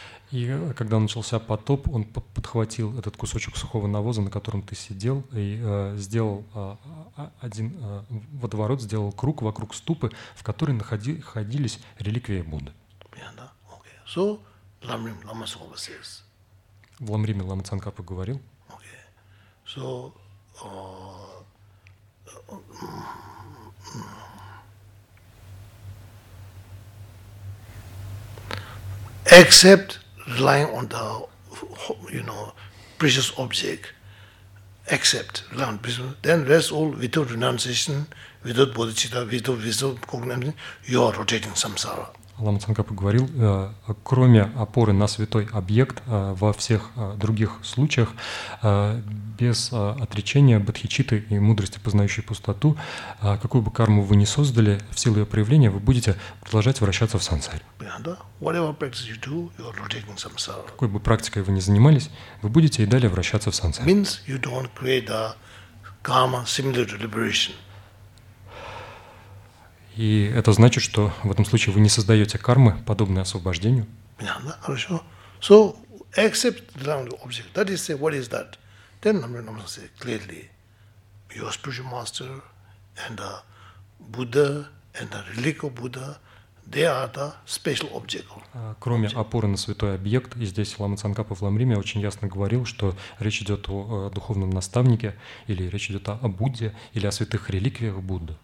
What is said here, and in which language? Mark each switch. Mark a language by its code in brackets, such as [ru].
[ru] И когда начался потоп, он подхватил этот кусочек сухого навоза, на котором ты сидел, и сделал один водоворот, сделал круг вокруг ступы, в которой находились реликвии Будды. Понятно? Окей. So, Ламрим Лама Цангапа says. В Ламриме Лама Цангапа говорил. Окей. [en] So, except relying on the, you know, precious object, except rely on precious object, then rest all without renunciation, without bodhicitta, without wisdom, cognition, you are rotating samsara. [ru] Лама Цангапа говорил, кроме опоры на святой объект, во всех других случаях, без отречения, бодхичитты и мудрости, познающей пустоту, какую бы карму вы ни создали, в силу ее проявления вы будете продолжать вращаться в сансаре. Какой бы практикой вы ни занимались, вы будете и далее вращаться в сансаре. [en] Means you don't create a karma similar to liberation. [ru] И это значит, что в этом случае вы не создаете кармы, подобные освобождению. Понятно? Хорошо. [en] So, accept the round object. That is, what is that? Then, I'm going to say clearly, your spiritual master and the Buddha and the relic of Buddha, they are the special object. [ru] Кроме опоры на святой объект, и здесь Лама Цангапа в Ламриме очень ясно говорил, что речь идет о духовном наставнике, или речь идет о Будде, или о святых реликвиях Будды.